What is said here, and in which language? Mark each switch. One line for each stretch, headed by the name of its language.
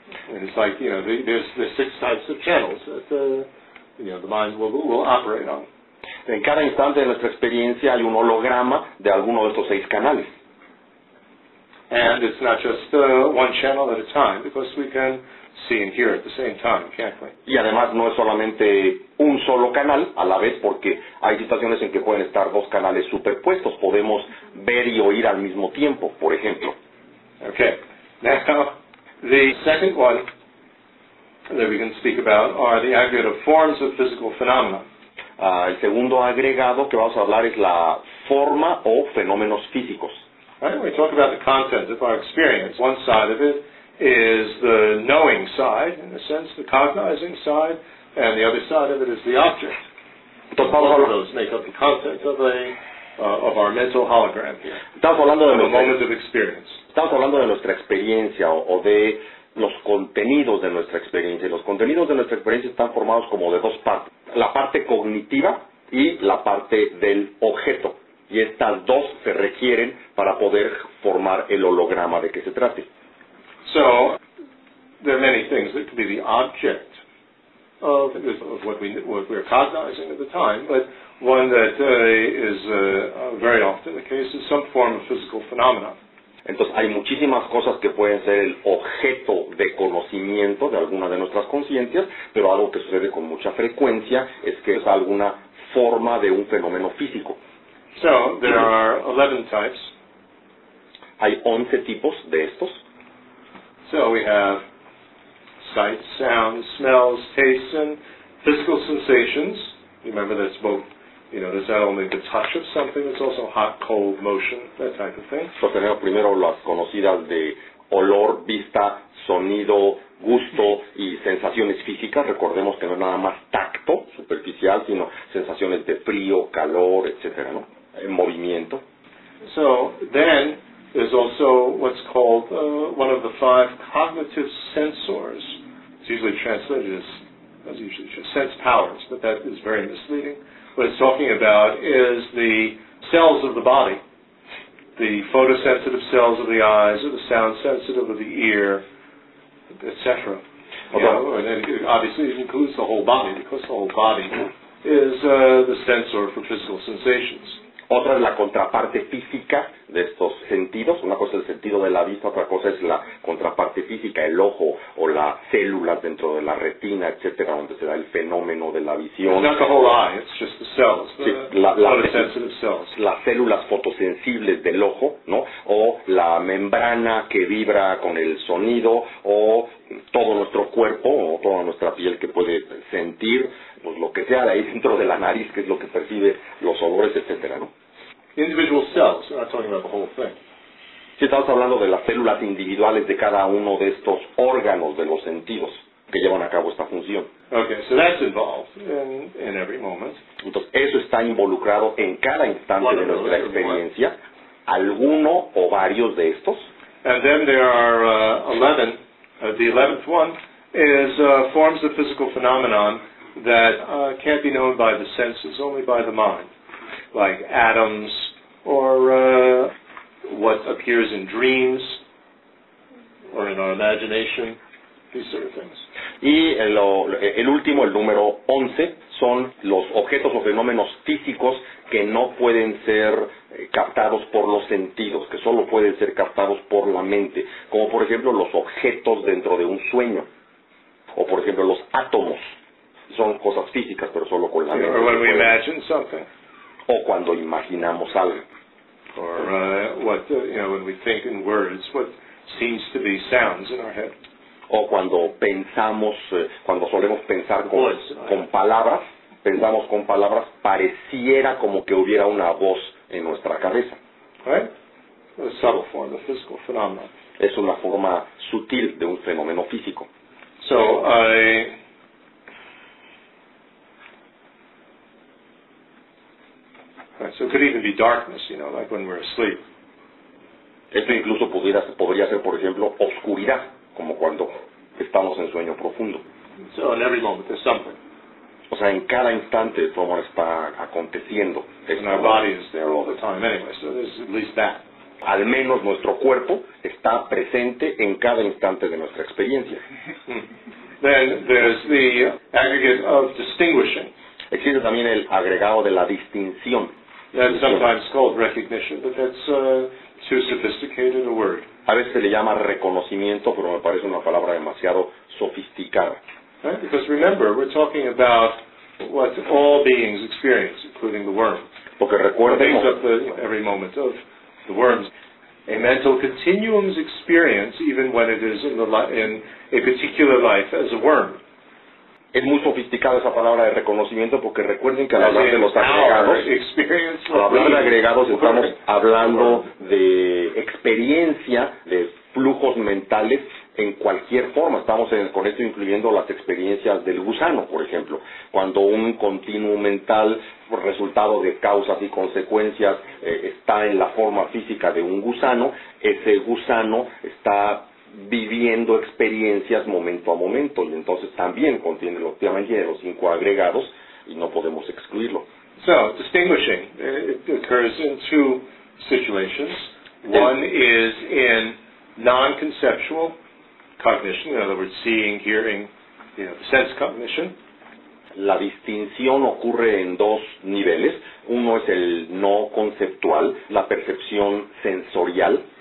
English: And it's like, you know, there's six types of channels that the mind will operate on.
Spanish: En cada instante de nuestra experiencia hay un holograma de alguno de estos seis canales.
English: And it's not just one channel at a time, because we can see and hear at the same time, can't we?
Spanish: Y además no es solamente un solo canal a la vez, porque hay situaciones en que pueden estar dos canales superpuestos. Podemos ver y oír al mismo tiempo, por ejemplo.
English: Okay. Now, the second one that we can speak about are the aggregate of forms of physical phenomena.
Spanish: El segundo agregado que vamos a hablar es la forma o fenómenos físicos.
English: Right, we talk about the content of our experience. One side of it is the knowing side, in a sense, the cognizing side, and the other side of it is the object.
Spanish: Entonces,
English: both of those make up the content of of our mental hologram here.
Spanish: Estamos hablando de nuestra
English: moment of experience.
Spanish: Estamos hablando de nuestra experiencia o de los contenidos de nuestra experiencia. Los contenidos de nuestra experiencia están formados como de dos partes: la parte cognitiva y la parte del objeto. Y estas dos se requieren para poder formar el holograma de que se trate.
English: So, there are many things that could be the object of what we're cognizing at the time, but one that is very often the case is some form of physical phenomenon.
Spanish: Entonces, hay muchísimas cosas que pueden ser el objeto de conocimiento de alguna de nuestras conciencias, pero algo que sucede con mucha frecuencia es que es alguna forma de un fenómeno físico.
English: So, there are 11 types.
Spanish: Hay 11 tipos de estos.
English: So we have sights, sounds, smells, tastes, and physical sensations. Remember, that's both, you know, there's not only the touch of something, there's also hot, cold, motion, that type of thing.
Spanish: So tenemos primero las conocidas de olor, vista, sonido, gusto y sensaciones físicas. Recordemos que no es nada más tacto superficial, sino sensaciones de frío, calor, etc., ¿no? En movimiento.
English: So then there's also what's called one of the five cognitive sensors. It's usually translated as sense powers, but that is very misleading. What it's talking about is the cells of the body, the photosensitive cells of the eyes, or the sound sensitive of the ear, etc. And then it obviously includes the whole body, because the whole body is the sensor for physical sensations.
Spanish: Otra es la contraparte física de estos sentidos. Una cosa es el sentido de la vista, otra cosa es la contraparte física, el ojo o las células dentro de la retina, etcétera, donde se da el fenómeno de la visión.
English: It's not the whole eye, it's just the cells.
Spanish: Sí,
English: photosensitive cells.
Spanish: Las células fotosensibles del ojo, ¿no? O la membrana que vibra con el sonido, o todo nuestro cuerpo o toda nuestra piel que puede sentir, pues lo que sea de ahí dentro de la nariz, que es lo que percibe los olores, etcétera, ¿no?
English: Individual cells, we're not talking about the whole thing.
Spanish: Sí, estamos hablando de las células individuales de cada uno de estos órganos de los sentidos que llevan a cabo esta función.
English: Okay, so that's involved in every moment.
Spanish: Entonces, eso está involucrado en cada instante de nuestra experiencia.
English: One.
Spanish: Alguno o varios de estos.
English: And then there are 11. The 11th one is forms of physical phenomenon that can't be known by the senses, only by the mind, like atoms or what appears in dreams or in our imagination, these sort of things.
Spanish: Y el último, el número 11, son los objetos o fenómenos físicos que no pueden ser captados por los sentidos, que solo pueden ser captados por la mente, como por ejemplo los objetos dentro de un sueño, o por ejemplo los átomos. Son cosas físicas, pero solo con la mente.
English: Or when we imagine something.
Spanish: O cuando imaginamos algo.
English: Or what, you know, when we think in words, what seems to be sounds in our head.
Spanish: O cuando pensamos, cuando solemos pensar con palabras, pensamos con palabras, pareciera como que hubiera una voz en nuestra cabeza.
English: Right? A subtle form, a physical phenomenon.
Spanish: Es una forma sutil de un fenómeno físico.
English: So I... So it could even be darkness, you know, like when we're asleep.
Spanish: Esto incluso podría ser, por ejemplo, oscuridad, como cuando estamos en sueño profundo.
English: So in every moment there's something.
Spanish: O sea, en cada instante todo está aconteciendo.
English: And our body is there all the time anyway, so there's at least that.
Spanish: Al menos nuestro cuerpo está presente en cada instante de nuestra experiencia.
English: Then there's the aggregate of distinguishing.
Spanish: Existe también el agregado de la distinción.
English: That's sometimes called recognition, but that's too sophisticated a word.
Spanish: A veces se le llama reconocimiento, pero me parece una palabra demasiado sofisticada.
English: Right? Because remember, we're talking about what all beings experience, including the worm.
Spanish: Porque recuerden,
English: it makes up every moment of the worms. A mental continuum's experience, even when it is in a particular life as a worm.
Spanish: Es muy sofisticada esa palabra de reconocimiento porque recuerden que al hablar de los agregados, estamos hablando de experiencia, de flujos mentales en cualquier forma. Estamos con esto incluyendo las experiencias del gusano, por ejemplo. Cuando un continuo mental, resultado de causas y consecuencias, está en la forma física de un gusano, ese gusano está viviendo experiencias momento a momento, y entonces también contiene los cinco agregados y no podemos excluirlo.
English: So, distinguishing, it occurs in two situations. One is in non-conceptual cognition, in other words, seeing, hearing, you know, sense cognition.
Spanish: La distinción ocurre en dos niveles. Uno es el no conceptual, la percepción sensorial.